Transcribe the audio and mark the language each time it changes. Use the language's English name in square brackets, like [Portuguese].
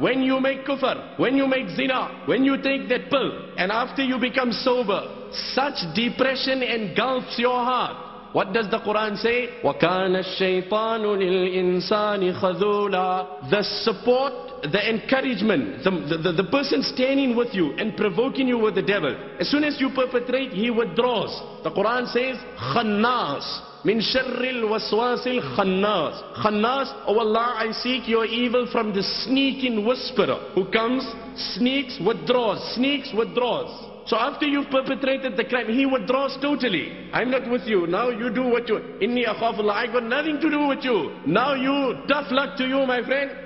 [English] When you make kufr, when you make zina, when you take that pill, and after you become sober, such depression engulfs your heart. What does the Quran say? [Arabic] وَكَانَ الشَّيْطَانُ لِلْإِنسَانِ خَذُولًا. [English] The support, the encouragement, the person standing with you and provoking you with the devil. As soon as you perpetrate, he withdraws. [Arabic] The Quran says, خَنَّاسِ مِن شَرِّ الْوَسْوَاسِ الْخَنَّاسِ. [English] خَنَّاسِ, O Allah, I seek your evil from the sneaking whisperer who comes, sneaks, withdraws. So after you've perpetrated the crime, he withdraws totally. I'm not with you. Now you do what you... [Arabic] Inni akhafullah. [English] I got nothing to do with you. Now you... Tough luck to you, my friend.